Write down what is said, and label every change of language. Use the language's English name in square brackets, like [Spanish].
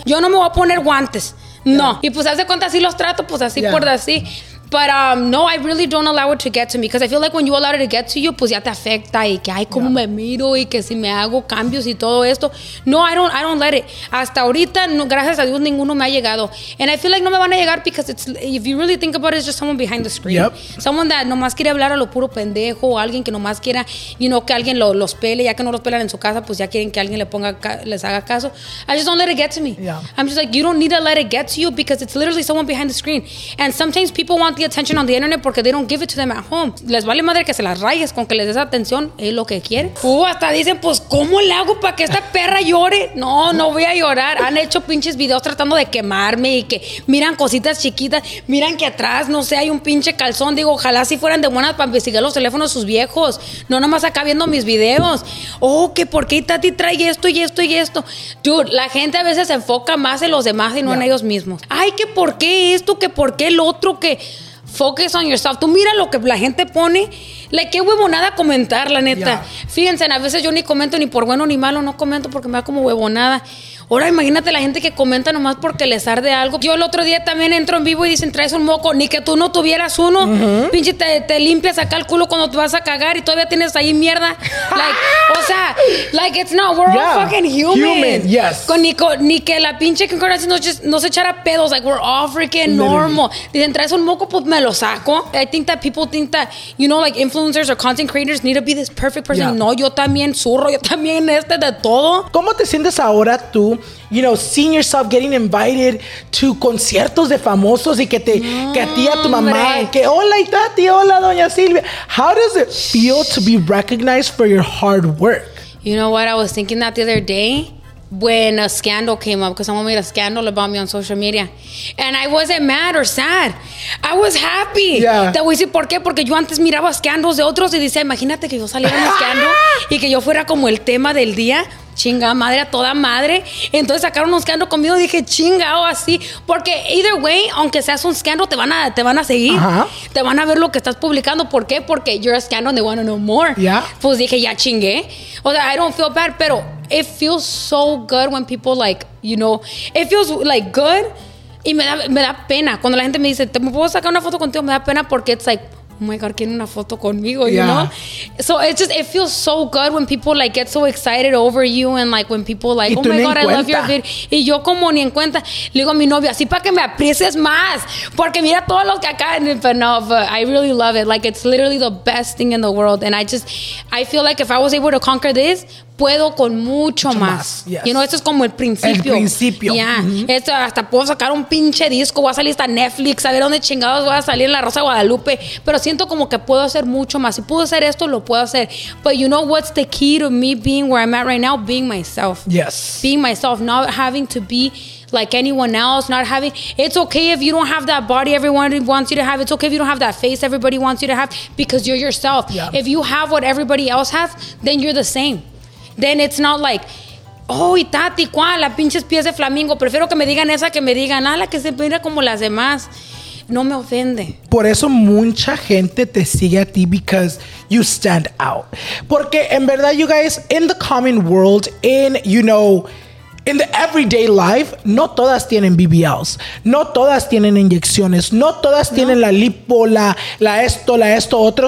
[Spanish] Yo no me voy a poner guantes. No. Yeah. Y pues, ¿haz de cuenta? Así los trato, pues así por así. [English] But no, I really don't allow it to get to me, because I feel like when you allow it to get to you, [Spanish] pues ya te afecta, y que ay, cómo me miro, y que si me hago cambios y todo esto. [English] No, I don't let it. [Spanish] Hasta ahorita, no, gracias a Dios, ninguno me ha llegado. [English] And I feel like [Spanish] no me van a llegar, [English] because it's, if you really think about it, it's just someone behind the screen. Yep. Someone that [Spanish] nomás quiere hablar a lo puro pendejo, o alguien que nomás quiera, you know, que alguien los pele, ya que no los pelan en su casa, pues ya quieren que alguien les haga caso. [English] I just don't let it get to me. Yeah. I'm just like, you don't need to let it get to you, because it's literally someone behind the screen. And sometimes people want the attention on the internet porque they don't give it to them at home. [Spanish] Les vale madre que se las rayes, con que les des atención es lo que quieren. Hasta dicen, pues, ¿cómo le hago para que esta perra llore? No voy a llorar. Han hecho pinches videos tratando de quemarme, y que miran cositas chiquitas, miran que atrás, no sé, hay un pinche calzón. Digo, ojalá si fueran de buenas para investigar los teléfonos de sus viejos, no nomás acá viendo mis videos. Oh, que por qué Tati trae esto y esto y esto. Dude, la gente a veces se enfoca más en los demás y no en ellos mismos. Ay, que por qué esto, que por qué el otro, que... [English] Focus on yourself. [Spanish] Tú mira lo que la gente pone. Like, qué huevonada comentar, la neta. Fíjense, a veces yo ni comento ni por bueno ni malo, no comento porque me da como huevonada. Ahora imagínate la gente que comenta nomás porque les arde algo. Yo el otro día también entro en vivo y dicen, traes un moco. Ni que tú no tuvieras uno. Uh-huh. Pinche, te limpias acá el culo cuando te vas a cagar y todavía tienes ahí mierda. [English] Like, o sea, like it's not, we're all fucking human. Yes. [Spanish] Ni que la pinche concordancia no se echara pedos. [English] Like, we're all freaking normal. [Spanish] Dicen, traes un moco, pues me lo saco. [English] I think that people think that, you know, like influencers or content creators need to be this perfect person. [Spanish] Yeah. No, yo también zurro, yo también este de todo. ¿Cómo te sientes ahora tú? [English] You know, seeing yourself getting invited to [Spanish] conciertos de famosos y que a ti, a tu mamá, que hola Itati, hola Doña Silvia. [English] How does it feel to be recognized for your hard work? You know what? I was thinking that the other day when a scandal came up, because someone made a scandal about me on social media. And I wasn't mad or sad. I was happy. Yeah. [Spanish] Te voy a decir por qué. Porque yo antes miraba scandals de otros y decía, imagínate que yo saliera en un scandal y que yo fuera como el tema del día. Chinga madre, a toda madre. Entonces sacaron un scandal conmigo. Dije, chinga, o así. Porque [English] either way, [Spanish] aunque seas un scandal, te van a seguir. Uh-huh. Te van a ver lo que estás publicando. ¿Por qué? [English] Porque you're a scandal and they want to know more. Yeah. [Spanish] Pues dije, ya chingué. [English] O sea, I don't feel bad, pero it feels so good when people like, you know, it feels like good. [Spanish] Y me da pena cuando la gente me dice, ¿te puedo sacar una foto contigo? Me da pena porque [English] it's like, oh my God, [Spanish] ¿quién una foto conmigo? [English] Yeah. You know? So it's just, it feels so good when people like get so excited over you and like when people like, oh my God, [Spanish] cuenta. [English] I love your video. [Spanish] Y yo como ni en cuenta, le digo a mi novio, así para que me aprecies más. Porque mira todos los que acá. [English] But I really love it. Like, it's literally the best thing in the world. And I feel like if I was able to conquer this, [Spanish] puedo con mucho más. [English] Yes. [Spanish] You know, esto es como el principio. El principio. [English] Yeah. Mm-hmm. [Spanish] Esto hasta puedo sacar un pinche disco, voy a salir hasta Netflix, a ver dónde chingados voy a salir en La Rosa de Guadalupe. Pero siento como que puedo hacer mucho más. Si puedo hacer esto, lo puedo hacer. [English] But you know what's the key to me being where I'm at right now? Being myself. Yes. Being myself, not having to be like anyone else, not having, it's okay if you don't have that body everyone wants you to have. It's okay if you don't have that face everybody wants you to have, because you're yourself. Yeah. If you have what everybody else has, then you're the same. Then it's not like, oh, [Spanish] Itati, ¿cuál? La pinches pies de flamingo. Prefiero que me digan esa que me digan, ah, la que se mira como las demás. No me ofende. Por eso mucha gente te sigue a ti, [English] because you stand out. [Spanish] Porque en verdad, [English] you guys, in the common world, in, you know, in the everyday life, [Spanish] no todas tienen BBLs, no todas tienen inyecciones, no todas tienen la lipo, la esto, otro.